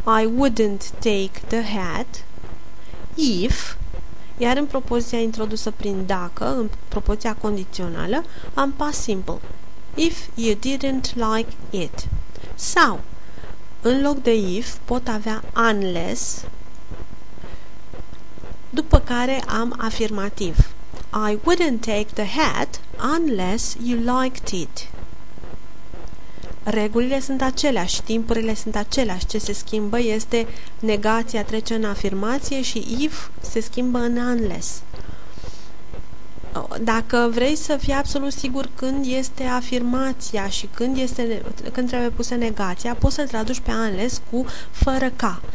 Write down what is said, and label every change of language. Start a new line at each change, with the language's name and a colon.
English: I wouldn't take the hat.
Romanian: If, iar în propoziția introdusă prin dacă, în propoziția condițională, am past simple.
English: If you didn't like it.
Romanian: Sau, în loc de if, pot avea unless, după care am afirmativ.
English: I wouldn't take the hat unless you liked it.
Romanian: Regulile sunt aceleași, timpurile sunt aceleași. Ce se schimbă este negația trece în afirmație și if se schimbă în unless. Dacă vrei să fii absolut sigur când este afirmația și când trebuie pusă negația, poți să-l traduci pe unless cu fără ca.